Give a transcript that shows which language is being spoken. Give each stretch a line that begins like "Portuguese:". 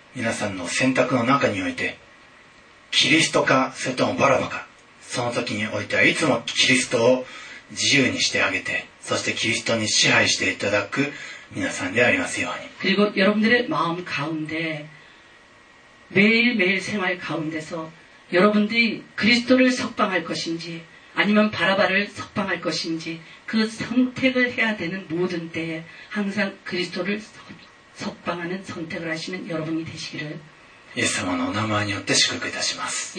Japanese: また日々の皆さんの選択の中において、 キリストか それともバラバか、その時においてはいつもキリストを自由にしてあげて、 そしてキリストに支配していただく皆さんでありますように。
Korean: 그리고 여러분들의 마음 가운데 매일매일 생활 가운데서 여러분들이 그리스도를 석방할 것인지 아니면 바라바를 석방할 것인지 그 선택을 해야 되는 모든 때에 항상 그리스도를 석방하는 선택을 하시는 여러분이 되시기를.
Japanese: 예수様のお名前によって祝福いたします。